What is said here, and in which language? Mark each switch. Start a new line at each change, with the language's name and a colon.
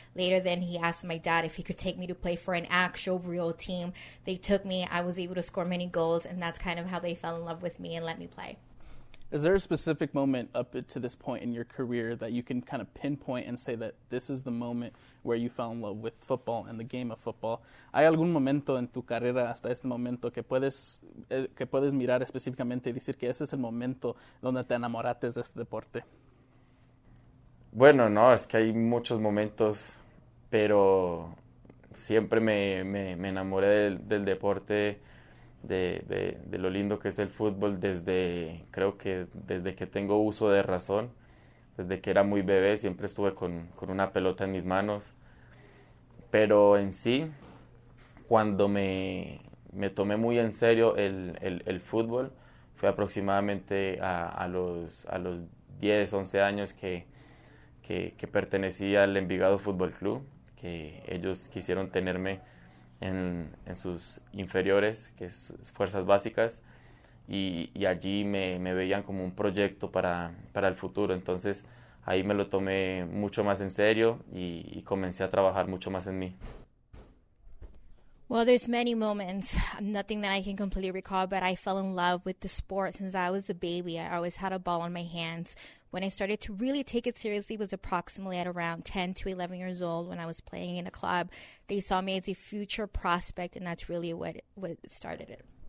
English: Later then he asked my dad if he could take me to play for an actual real team. They took me. I was able to score many goals and that's kind of how they fell in love with me and let me play. Is there a specific moment up to this point in your career that you can kind of pinpoint and say that this is the moment where you fell in love with football and the game of football?
Spanish: ¿Hay algún momento en tu carrera hasta este momento que puedes mirar específicamente y decir que ese es el momento donde te enamoraste de este deporte? Bueno, no, es que hay muchos momentos, pero siempre me enamoré del deporte. De lo lindo que es el fútbol desde que tengo uso de razón. Desde que era muy bebé siempre estuve con una pelota en mis manos. Pero en sí, cuando me tomé muy en serio el fútbol, fue aproximadamente a los 10, 11 años que pertenecí al Envigado Fútbol Club, que ellos quisieron tenerme en sus inferiores, que es fuerzas básicas, y allí me veían como un proyecto para el futuro. Entonces ahí me lo tomé mucho más en serio y comencé a trabajar mucho más en mí.
English: Well, there's many moments, nothing that I can completely recall, but I fell in love with the sport since I was a baby. I always had a ball on my hands. When I started to really take it seriously was approximately at around 10 to 11 years old when I was playing in a club. They saw me as a future prospect, and that's really what started it.